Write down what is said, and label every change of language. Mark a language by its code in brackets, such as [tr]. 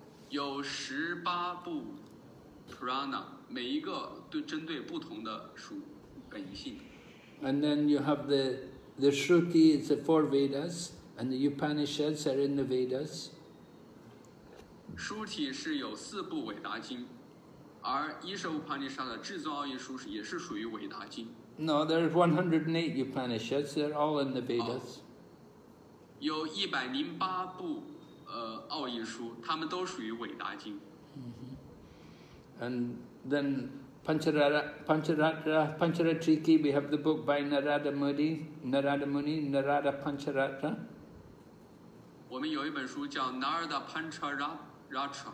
[zh] 有18部 Purana, 每一个都针对不同的属本性。 [en] And then you have the Shruti, it's the 4 Vedas, and the Upanishads are in the Vedas. [zh] Shruti 是有四部伟达经，而伊舍乌帕尼沙的至尊奥义书也是属于伟达经。 [en] No, there's 108 Upanishads, they're all in the Vedas. [zh] 有108部奥义书，他们都属于伟达经。 [en] And then Pancharatriki, we have the book by Narada Muni, Narada Pancharatra. [zh] 我们有一本书叫 Narada Pancharatra.